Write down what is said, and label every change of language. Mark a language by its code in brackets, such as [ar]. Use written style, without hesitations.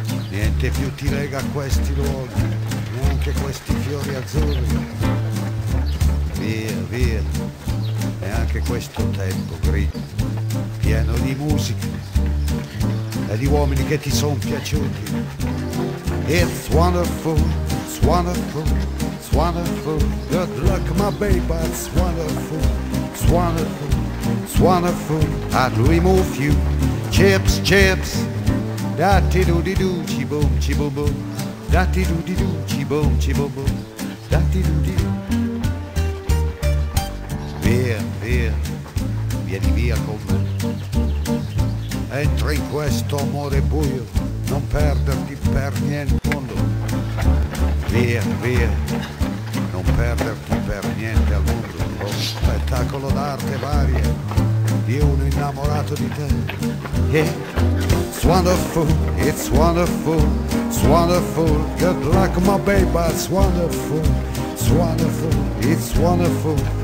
[it] Niente più ti lega a questi luoghi, neanche questi fiori azzurri. Via, via, neanche questo tempo grigio, pieno di musica e di uomini che ti son piaciuti. [en] It's wonderful, it's wonderful, it's wonderful. Good luck, my baby, it's wonderful, it's wonderful, it's wonderful. I'd remove you, chips, chips. Da-ti-do-di-doo, chi-boom, chi-boom-boom. Da-ti-do-di-doo, chi-boom, chi-boom-boom. Da-ti-do-di-doo. [it] Via, via, vieni via con me. Entra in questo amore buio, non perderti per niente al mondo. Via, via, non perderti per niente al mondo. Lo spettacolo d'arte varia di uno innamorato di te. [en] Yeah. It's wonderful, it's wonderful, it's wonderful. Good luck, my baby, it's wonderful, it's wonderful, it's wonderful.